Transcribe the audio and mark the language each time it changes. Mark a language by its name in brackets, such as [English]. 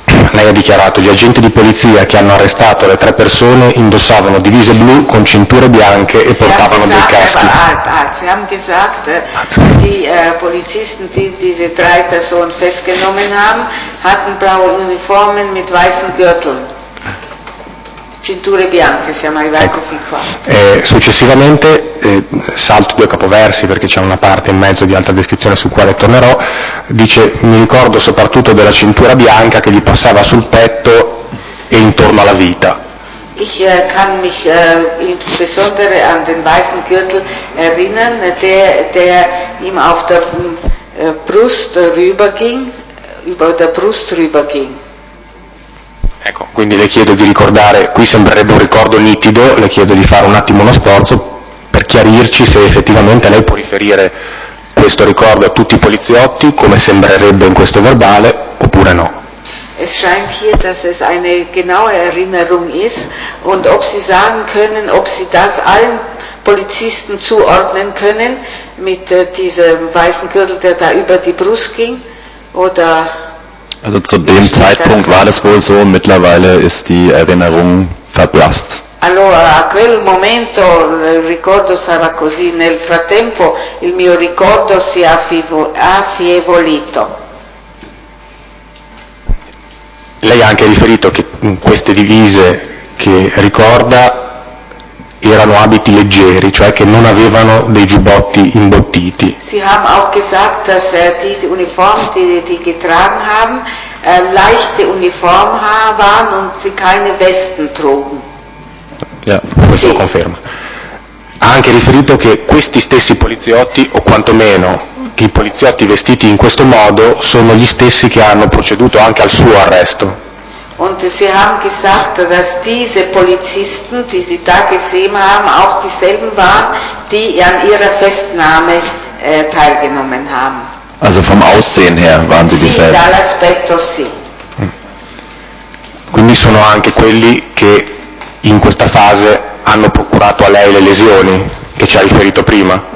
[Italian] Lei ha dichiarato: gli agenti di polizia che hanno arrestato le 3 persone indossavano divise blu con cinture bianche e portavano dei caschi. [German] Sie haben gesagt, die Polizisten, die diese 3 persone festgenommen haben, hatten blaue Uniformen mit weißen Gürteln. [Italian] Cinture bianche, siamo arrivati ecco. Fin qua. Successivamente, salto 2 capoversi perché c'è una parte in mezzo di alta descrizione su quale tornerò, dice: mi ricordo soprattutto della cintura bianca che gli passava sul petto e intorno alla vita. [German] Ich kann mich insbesondere an den weißen Gürtel erinnern, der ihm auf der Brust rüberging, über der Brust rüberging. [Italian] Ecco, quindi le chiedo di ricordare, qui sembrerebbe un ricordo nitido, le chiedo di fare un attimo uno sforzo per chiarirci se effettivamente lei può riferire questo ricordo a tutti i poliziotti, come sembrerebbe in questo verbale, oppure no. [German] Es scheint hier, dass es eine genaue Erinnerung ist und ob Sie sagen können, ob Sie das allen Polizisten zuordnen können mit diesem weißen Gürtel, der da über die Brust ging, oder... Also zu dem Zeitpunkt war das wohl so, mittlerweile ist die Erinnerung verblasst. [Italian] Allora, a quel momento il ricordo sarà così, nel frattempo il mio ricordo si è affievolito. Lei ha anche riferito che queste divise che ricorda erano abiti leggeri, cioè che non avevano dei giubbotti imbottiti. [German] Sie haben auch gesagt, dass diese Uniformen, die sie getragen haben, leichte Uniformen waren und sie keine Westen trugen. [Italian] Ja, questo lo conferma. Ha anche riferito che questi stessi poliziotti, o quantomeno che i poliziotti vestiti in questo modo, sono gli stessi che hanno proceduto anche al suo arresto. [German] Und sie haben gesagt, dass diese Polizisten, die sie da gesehen haben, auch dieselben waren, die an ihrer Festnahme teilgenommen haben. Also vom Aussehen her waren sie dieselben. [Italian] Dall'aspetto sì. Quindi sono anche quelli che in questa fase hanno procurato a lei le lesioni che ci ha riferito prima.